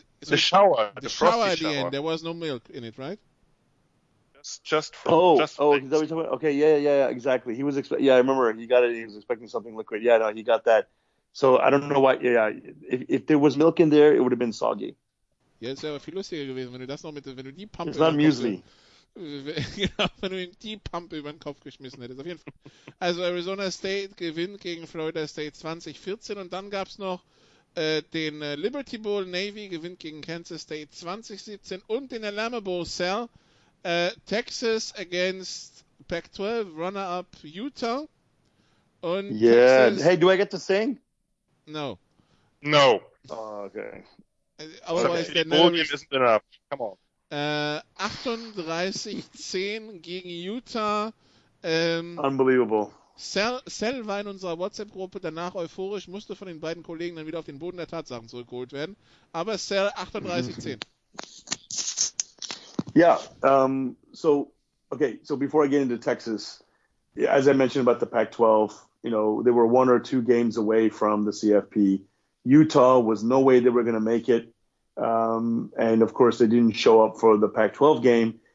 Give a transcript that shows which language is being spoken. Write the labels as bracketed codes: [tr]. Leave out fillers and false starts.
[en] The shower at the end. There was no milk in it, right? Just flakes. Okay, yeah, exactly. He was yeah, I remember he got it. He was expecting something liquid. Yeah, no, he got that. So I don't know why. Yeah, if there was milk in there, it would have been soggy. [de] Ja, es wäre viel lustiger gewesen, wenn du das noch mit, wenn du die Pumpe. [en] It's not Muesli. [de] Wenn du ihm die Pumpe über den Kopf geschmissen hättest. Auf jeden Fall. Also Arizona State gewinnt gegen Florida State 2014 und dann gab es noch den Liberty Bowl. Navy gewinnt gegen Kansas State 2017 und den Alamo Bowl Cell. [en] Texas against Pac-12, Runner-up Utah. Und yeah. Texas... Hey, do I get to sing? No. No. Oh, okay. Otherwise, okay, come on. [de] 38-10 gegen Utah. [en] Unbelievable. [de] Sel war in unserer WhatsApp-Gruppe danach euphorisch, musste von den beiden Kollegen dann wieder auf den Boden der Tatsachen zurückgeholt werden. Aber Sel 38-10. [en] Yeah. So before I get into Texas, as I mentioned about the Pac-12, you know, they were one or two games away from the CFP. Utah was no way they were going to make it. And of course, they didn't show up for the Pac-12 game.